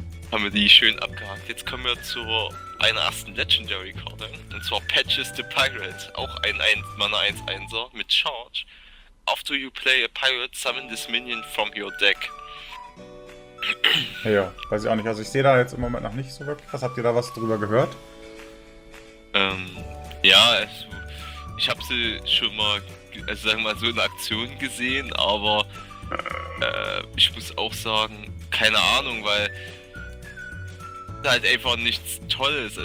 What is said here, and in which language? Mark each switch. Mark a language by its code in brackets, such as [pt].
[de] Haben wir die schön abgehakt. Jetzt kommen wir zur einer ersten Legendary-Karte, und zwar Patches the Pirate, auch ein 1-Mana 1-1er mit Charge. [en] After you play a Pirate, summon this minion from your deck. [de] Ja, weiß ich auch nicht. Also ich sehe da jetzt im Moment noch nicht so wirklich. Was habt ihr da was drüber gehört? Ja, ich habe sie schon mal, also sagen wir mal, so in Aktion gesehen, aber ich muss auch sagen, keine Ahnung, weil halt einfach nichts Tolles.